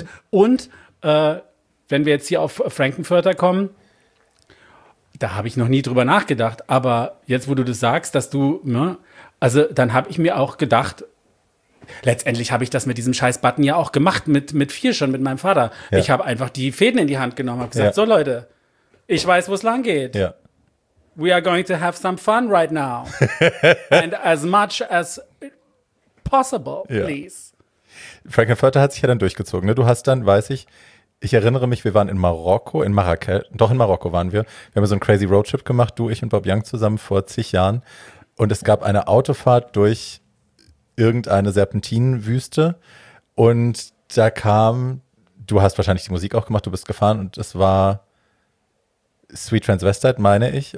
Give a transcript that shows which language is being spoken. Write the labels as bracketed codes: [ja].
[de] Und wenn wir jetzt hier auf Frankenfurter kommen, da habe ich noch nie drüber nachgedacht, aber jetzt, wo du das sagst, dass du, ne, also dann habe ich mir auch gedacht, letztendlich habe ich das mit diesem scheiß Button ja auch gemacht, mit vier schon, mit meinem Vater. Ja. Ich habe einfach die Fäden in die Hand genommen, habe gesagt, ja, so Leute, ich weiß, wo es lang geht. Ja. [en] We are going to have some fun right now. And as much as possible, please. [de] Ja. Frankenfurter hat sich ja dann durchgezogen. Ne? Du hast dann, weiß ich, ich erinnere mich, wir waren in Marokko, in Marrakesch, doch in Marokko waren wir. Wir haben so einen crazy Roadtrip gemacht, du, ich und Bob Young zusammen vor zig Jahren. Und es gab eine Autofahrt durch irgendeine Serpentinenwüste. Und da kam, du hast wahrscheinlich die Musik auch gemacht, du bist gefahren und es war Sweet Transvestite, meine ich.